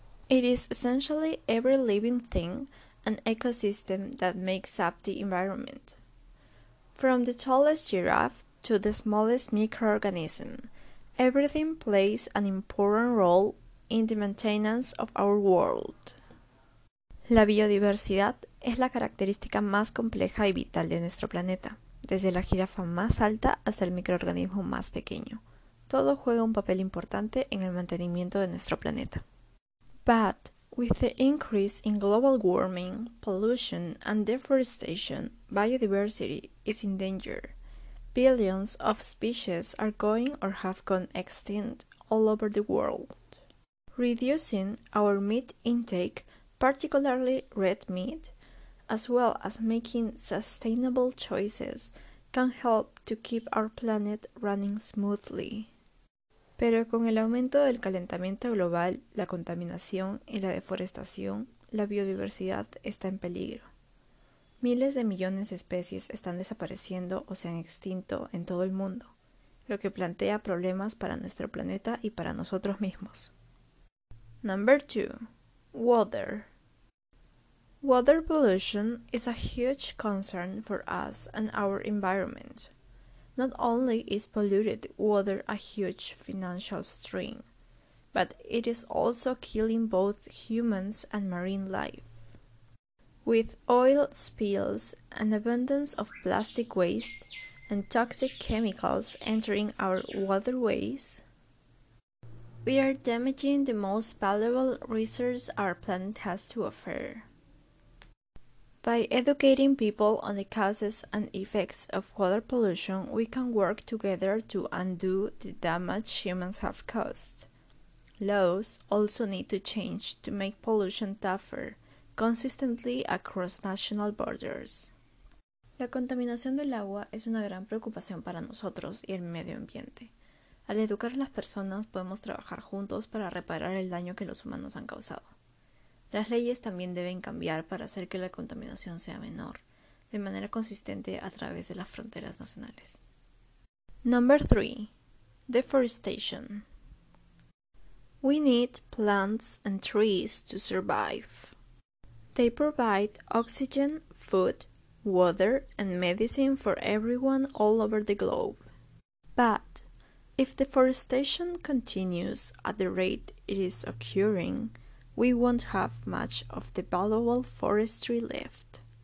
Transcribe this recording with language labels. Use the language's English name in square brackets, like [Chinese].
[English] It is essentially every living thing, an ecosystem that makes up the environment. From the tallest giraffe to the smallest microorganism, everything plays an important role in the maintenance of our world. [Spanish] La biodiversidad es la característica más compleja y vital de nuestro planeta, desde la jirafa más alta hasta el microorganismo más pequeño. Todo juega un papel importante en el mantenimiento de nuestro planeta. [English] But with the increase in global warming, pollution, and deforestation, biodiversity is in danger. Billions of species are going or have gone extinct all over the world. Reducing our meat intake, particularly red meat, as well as making sustainable choices, can help to keep our planet running smoothly. [Spanish] Pero con el aumento del calentamiento global, la contaminación y la deforestación, la biodiversidad está en peligro. Miles de millones de especies están desapareciendo o se han extinto en todo el mundo, lo que plantea problemas para nuestro planeta y para nosotros mismos. [English] Number 2. Water. Water pollution is a huge concern for us and our environment. Not only is polluted water a huge financial strain, but it is also killing both humans and marine life. With oil spills, an abundance of plastic waste, and toxic chemicals entering our waterways, we are damaging the most valuable resource our planet has to offer. By educating people on the causes and effects of water pollution, we can work together to undo the damage humans have caused. Laws also need to change to make pollution tougher, consistently across national borders. [Spanish] La contaminación del agua es una gran preocupación para nosotros y el medio ambiente. Al educar a las personas, podemos trabajar juntos para reparar el daño que los humanos han causado. Las leyes también deben cambiar para hacer que la contaminación sea menor, de manera consistente a través de las fronteras nacionales. [English] Number 3. Deforestation. We need plants and trees to survive. They provide oxygen, food, water, and medicine for everyone all over the globe. But if deforestation continues at the rate it is occurring, we won't have much of the valuable forestry left.